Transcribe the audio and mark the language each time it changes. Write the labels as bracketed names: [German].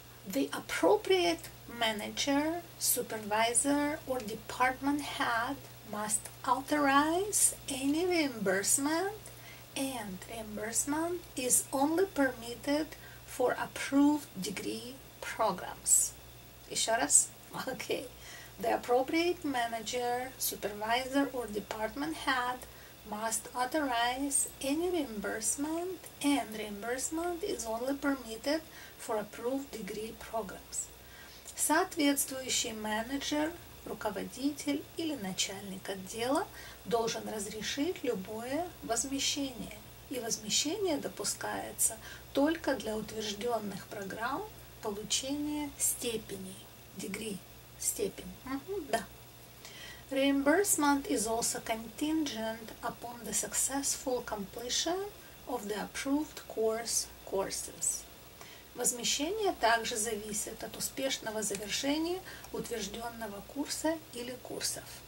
[English] The appropriate manager, supervisor or department head must authorize any reimbursement, and reimbursement is only permitted for approved degree programs. [Russian] Еще раз? Окей. [English] The appropriate manager, supervisor, or department head must authorize any reimbursement, and reimbursement is only permitted for approved degree programs. [Russian] Соответствующий менеджер, руководитель или начальник отдела должен разрешить любое возмещение. И возмещение допускается только для утвержденных программ получения степеней, degree. Степень. Да. [English] Reimbursement is also contingent upon the successful completion of the approved courses. [Russian] Возмещение также зависит от успешного завершения утвержденного курса или курсов.